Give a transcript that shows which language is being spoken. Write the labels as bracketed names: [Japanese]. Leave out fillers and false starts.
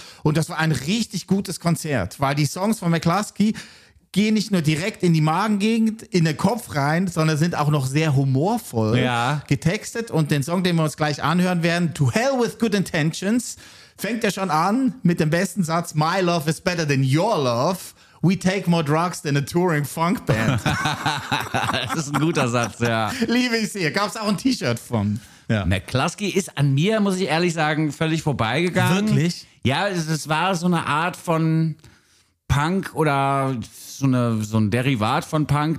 [German] Oh, wow. Und das war ein richtig gutes Konzert, weil die Songs von McCluskey gehen nicht nur direkt in die Magengegend, in den Kopf rein, sondern sind auch noch sehr humorvoll getextet. Und den Song, den wir uns gleich anhören werden, To Hell With Good Intentions, fängt ja schon an mit dem besten Satz, [English] My love is better than your love. We take more drugs than a touring funk band. [German] Das ist ein guter Satz, ja. Liebe ich sie. Gab's auch ein T-Shirt von. Ja. McCluskey ist an mir, muss ich ehrlich sagen, völlig vorbeigegangen. Wirklich? Ja, es war so eine Art von Punk oder so ein Derivat von Punk.